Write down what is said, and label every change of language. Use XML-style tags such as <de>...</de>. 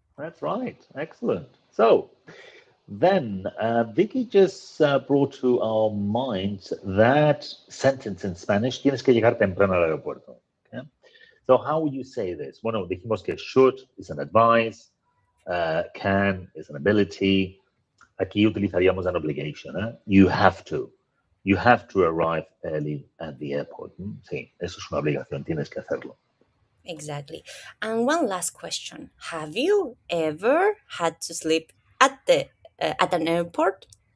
<en>That's right. Excellent. So then, Vicky just brought to our minds that sentence in Spanish,</en> <es>tienes que llegar temprano al aeropuerto.</es> <en>Okay? So how would you say this?</en> <es>Bueno, dijimos que</es> <en>should is an advice, can is an ability.</en> <es>Aquí utilizaríamos</es> <en>an obligation. You have to. You have to arrive early at the airport.</en> <es>Sí, eso es una obligación, tienes que hacerlo.</es> <en>Exactly. And one last question. Have you ever had to sleep at the at an airport?</en>